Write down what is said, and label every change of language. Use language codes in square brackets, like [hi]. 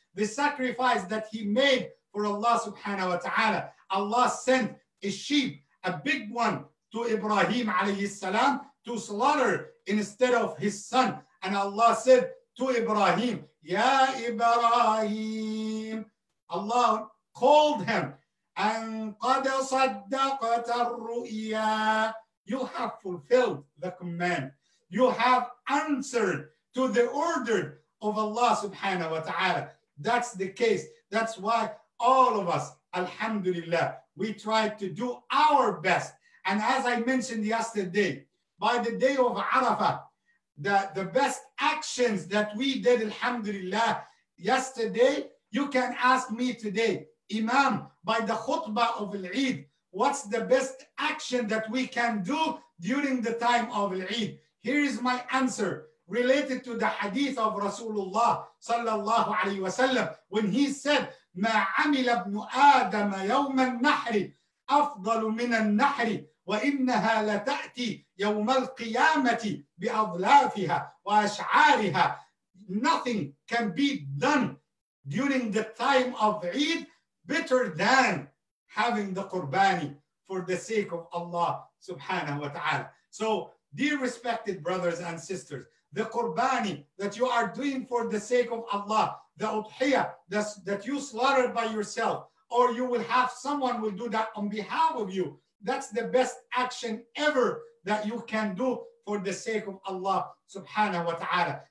[en] The sacrifice that he made for Allah subhanahu wa ta'ala. Allah sent a sheep, a big one, to Ibrahim alayhi salam to slaughter instead of his son. And Allah said to Ibrahim, Ya Ibrahim. Allah called him. [ar] And قَدْ صَدَّقَتَ الرُّؤْيَا. [en] You have fulfilled the command. You have answered to the order of Allah subhanahu wa ta'ala. That's the case. That's why all of us, alhamdulillah, we try to do our best. And as I mentioned yesterday, by the day of Arafah, the best actions that we did, alhamdulillah, yesterday, you can ask me today, Imam, by the khutbah of Al-Eid, what's the best action that we can do during the time of Al-Eid? Here is my answer related to the hadith of Rasulullah sallallahu alayhi wa sallam, when he said, [ar] ما عمل ابن آدم يوم النحر أفضل من النحر وإنها لتأتي يوم القيامة بأضلافها وأشعارها. [en] Nothing can be done during the time of Eid better than having the Qurbani for the sake of Allah subhanahu wa ta'ala. So, dear respected brothers and sisters, the Qurbani that you are doing for the sake of Allah, the Udhiyah that you slaughtered by yourself, or you will have someone will do that on behalf of you, that's the best action ever that you can do for the sake of Allah subhanahu wa ta'ala.